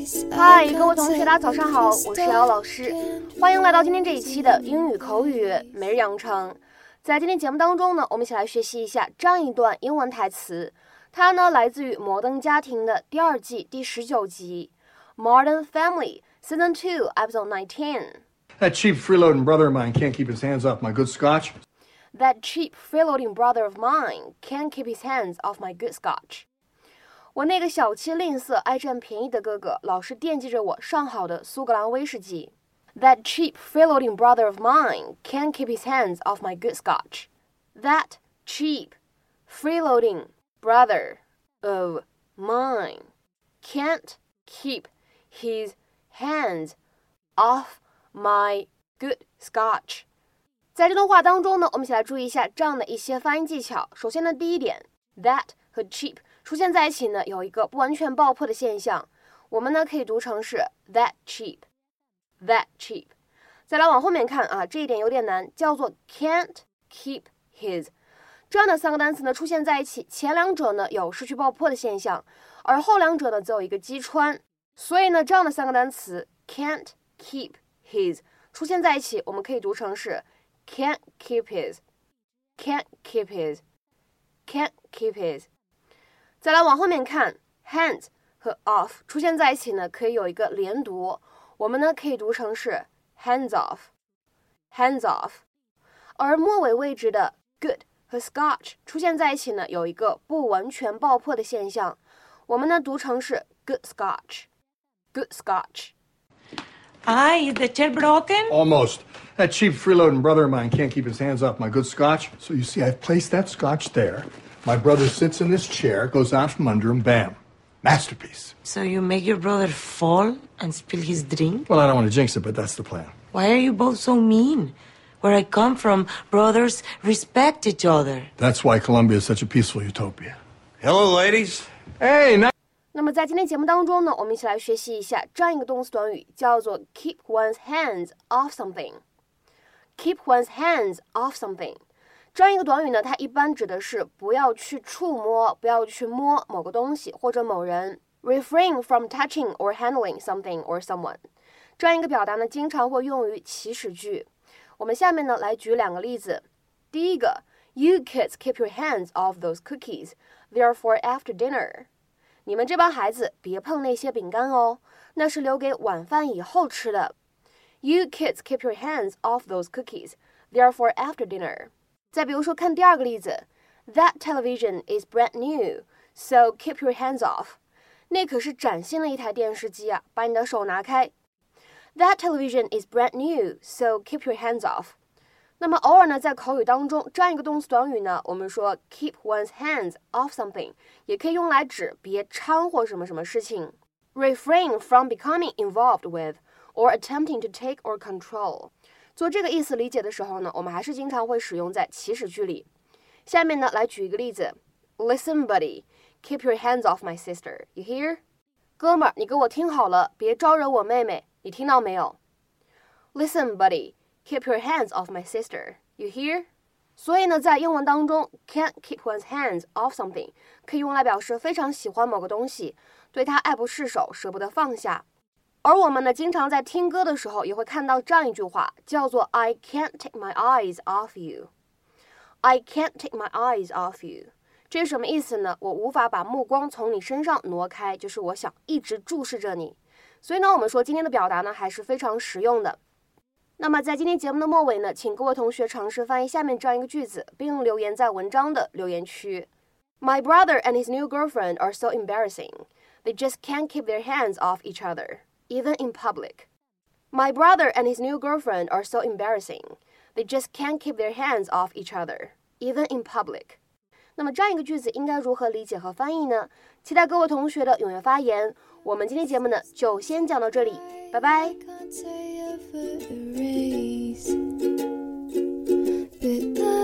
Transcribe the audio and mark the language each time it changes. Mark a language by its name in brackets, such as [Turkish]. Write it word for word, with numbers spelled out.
[Chinese] 嗨，各位同学，大家早上好，我是姚老师，欢迎来到今天这一期的英语口语每日养成。在今天节目当中呢，我们一起来学习一下这样一段英文台词，它呢来自于《摩登家庭》的第二季第十九集，《Modern Family》 [English] Season Two Episode Nineteen。 That cheap freeloading brother of mine can't keep his hands off my good scotch. That cheap freeloading brother of mine can't keep his hands off my good scotch. [Chinese] 我那个小气吝啬爱占便宜的哥哥老是惦记着我上好的苏格兰威士忌。 [English] That cheap freeloading brother of mine can't keep his hands off my good scotch. That cheap freeloading brother of mine can't keep his hands off my good scotch. [Chinese] 在这段话当中呢，我们一起来注意一下这样的一些发音技巧。首先呢，第一点 ，that 和 cheap 出现在一起呢，有一个不完全爆破的现象。我们呢可以读成是 that cheap。 [English] That cheap. [Chinese] 再来往后面看啊，这一点有点难，叫做 can't keep his。这样的三个单词呢出现在一起，前两者呢有失去爆破的现象，而后两者呢则有一个击穿，所以呢这样的三个单词 [English] can't keep his 出现在一起，我们可以读成是 can't keep his, [Chinese] can't keep his, can't keep his。再来往后面看， hands 和 off 出现在一起呢可以有一个连读，我们呢可以读成是 [English] hands off, hands off。 [Chinese] 而末尾位置的 good 和 scotch 出现在一起呢有一个不完全爆破的现象，我们呢读成是 [English] good scotch, good scotch。 Aye, is the chair broken? Almost. That cheap freeloading brother of mine can't keep his hands off my good scotch. So you see, I've placed that scotch there. My brother sits in this chair, goes out from under him, bam. Masterpiece. So you make your brother fall and spill his drink? Well, I don't want to jinx it, but that's the plan. Why are you both so mean? Where I come from, brothers respect each other. That's why Colombia is such a peaceful utopia. Hello, ladies. Hey, now... [Chinese] 那么在今天节目当中呢，我们一起来学习一下这样一个动词短语，叫做 [English] keep one's hands off something. Keep one's hands off something. [Chinese] 这样一个短语呢，它一般指的是不要去触摸，不要去摸某个东西或者某人。 [English] Refrain from touching or handling something or someone。 [Chinese] 这样一个表达呢，经常会用于祈使句。我们下面呢来举两个例子。第一个 [English] ，You kids keep your hands off those cookies. They're for after dinner. [Chinese] 你们这帮孩子别碰那些饼干哦，那是留给晚饭以后吃的。 [English] You kids keep your hands off those cookies. They're for after dinner. [Chinese] 再比如说看第二个例子 [English] That television is brand new, so keep your hands off. [Chinese] 那可是崭新的一台电视机啊，把你的手拿开。 [English] That television is brand new, so keep your hands off. [Chinese] 那么偶尔呢，在口语当中，这样一个动词短语呢，我们说 [English] keep one's hands off something， [Chinese] 也可以用来指别掺和什么什么事情。 [English] Refrain from becoming involved with or attempting to take or control. [Chinese] 做这个意思理解的时候呢，我们还是经常会使用在祈使句里。下面呢，来举一个例子 [English] ：Listen, buddy, keep your hands off my sister. You hear? [Chinese] 哥们儿，你给我听好了，别招惹我妹妹，你听到没有 ？ [English] Listen, buddy, keep your hands off my sister. You hear? [Chinese] 所以呢，在英文当中 ， [English] can't keep one's hands off something [Chinese] 可以用来表示非常喜欢某个东西，对它爱不释手，舍不得放下。而我们呢，经常在听歌的时候也会看到这样一句话，叫做 [English] I can't take my eyes off you. I can't take my eyes off you. [Chinese] 这是什么意思呢？我无法把目光从你身上挪开，就是我想一直注视着你。所以呢，我们说今天的表达呢还是非常实用的。那么在今天节目的末尾呢，请各位同学尝试翻译下面这样一个句子，并留言在文章的留言区。 [English] My brother and his new girlfriend are so embarrassing. They just can't keep their hands off each other. Even in public. My brother and his new girlfriend are so embarrassing. They just can't keep their hands off each other, even in public. [Chinese] 那么这样一个句子应该如何理解和翻译呢？期待各位同学的踊跃发言。我们今天节目呢就先讲到这里，拜拜。